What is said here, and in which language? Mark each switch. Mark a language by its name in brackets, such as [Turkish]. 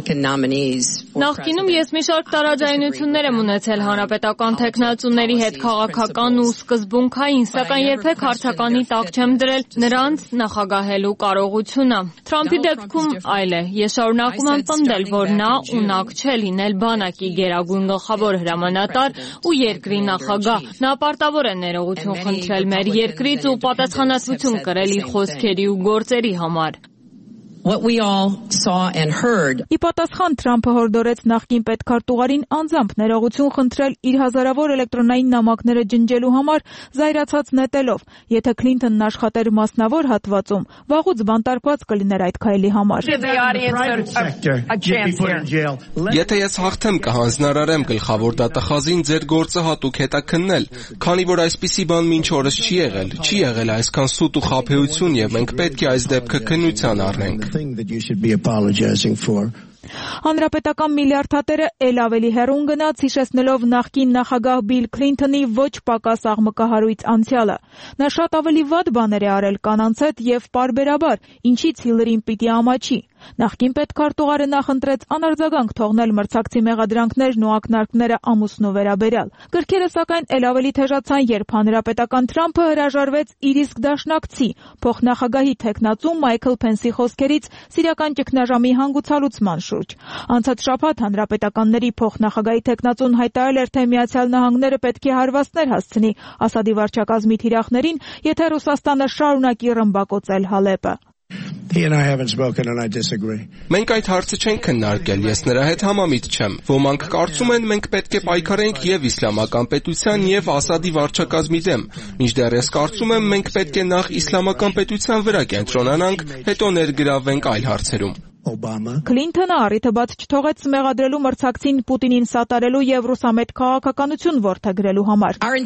[Armenian] Նախկինում ես մի շարք տարաձայնություններ եմ ունեցել հանրապետական տեխնատուների հետ քաղաքական ու սկզբունքային, սակայն երբեք հարցականի տակ չեմ դրել նրանց նախագահելու կարողությունը։ Թրամփի դեպքում այլ է։ Ես շարունակում եմ պնդել, որ նա ունակ չէ լինել բանակի գերագույն գլխավոր հրամանատար ու երկրի նախագահ։ Նա պարտավոր է ներողություն խնդրել մեր երկրից ու պատասխանատվություն կրել իր խոսքերի ու գործերի համար։ [English] What we all saw and heard. [Armenian] Ի պատասխան Թրամփը հորդորեց նախկին պետքարտուղարին անձամբ ներողություն խնդրել իր հազարավոր էլեկտրոնային նամակները ջնջելու համար զայրացած նետելով. Եթե Քլինթոնն աշխատեր մասնավոր հատվածում, վաղուց բանտարկված կլիներ այդ քայլի համար։ Եթե ես հաղթեմ, կհանձնարարեմ գլխավոր դատախազին ձեր գործը հատուկ հետաքննել, քանի որ այսպիսի բան մինչ օրս չի եղել, չի եղել այսքան սուտ ու խաբեություն, եւ մենք պետք է այս դեպքը քննության առնենք։ [English] Thing that you should be apologizing for. [Armenian] Հանրապետական միլիարդատերը էլ ավելի հեռուն գնաց, հիշեցնելով նախկին նախագահ Բիլ Քլինթոնի ոչ պակաս աղմկահարույց անցյալը։ Նա շատ ավելի վատ բաներ է արել կանանց հետ եւ պարբերաբար, ինչից Հիլերին պիտի ամաչի։ Նախկին պետքարտուղարը նախընտրեց անարձագանք թողնել մրցակցի մեղադրանքներն ու ակնարկները ամուսնու վերաբերյալ։ Գրքերը, սակայն, էլ ավելի թեժացան, երբ հանրապետական Թրամփը հրաժարվեց իր իսկ դաշնակցի, փոխնախագահի թեկնածու Մայքլ Փենսի խոսքերից սիրական ճգնաժամի հանգուցալուցման շուրջ։ Անցած շաբաթ հանրապետականների փոխնախագահի թեկնածուն հայտարարել էր, թե Միացյալ Նահանգները պետք է հարվածներ հասցնի Ասադի վարչակազմի թիրախներին, եթե Ռուսաստանը շարունակի ռմբակոծել Հալեպը։ [English] He and I haven't spoken and I disagree. [Armenian] Մենք այդ հարցը չենք քննարկել, ես նրա հետ համամիտ չեմ։ Ոմանք կարծում են, մենք պետք է պայքարենք եւ իսլամական պետության եւ Ասադի վարչակազմի դեմ։ Մինչդեռ ես կարծում եմ, մենք պետք է նախ իսլամական պետության վրա կենտրոնանանք, հետո ներգրավենք այլ հարցերում։ Քլինթոնը առիթը բաց չթողեց մեղադրելու մրցակցին Պուտինին սատարելու եւ ռուսամետ քաղաքականություն որդեգրելու համար։